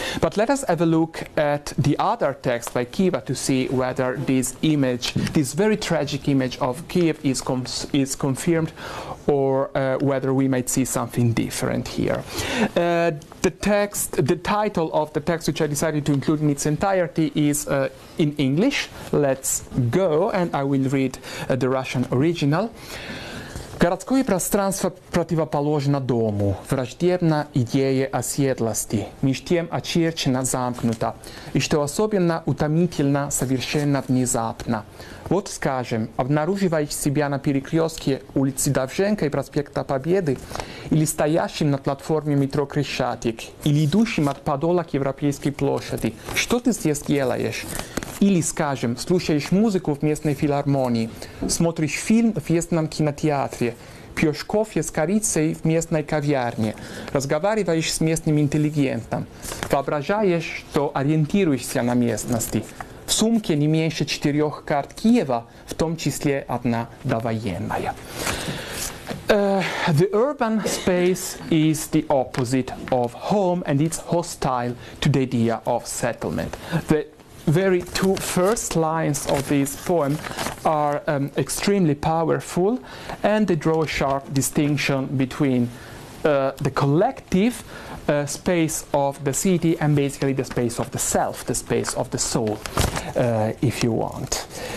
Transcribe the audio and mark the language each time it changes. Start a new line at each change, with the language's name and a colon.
English: But let us have a look at the other text by Kiva to see whether this image, this very tragic image of Kyiv, is confirmed, or whether we might see something different here. The title of the text, which I decided to include in its entirety, is in English. Let's go, and I will read the Russian original.
Russian: Городское пространство противоположно дому, враждебно идее оседлости, меж тем очерчено, замкнуто, и что особенно утомительно, совершенно внезапно. Вот, скажем, обнаруживаешь себя на перекрестке улицы Довженко и проспекта Победы, или стоящим на платформе метро Крещатик, или идущим от подола к Европейской площади, что ты здесь делаешь? Или, скажем, слушаешь музыку в местной филармонии, смотришь фильм в местном кинотеатре, пьешь кофе с корицей в местной кавиарне, разговариваешь с местным интеллигентом, воображаешь, что ориентируешься на местности. В сумке не меньше 4 карт Киева, в том числе одна довоенная.
English: The urban space is the opposite of home, and it's hostile to the idea of settlement. The very two first lines of this poem are extremely powerful, and they draw a sharp distinction between the collective space of the city and basically the space of the self, the space of the soul, if you want.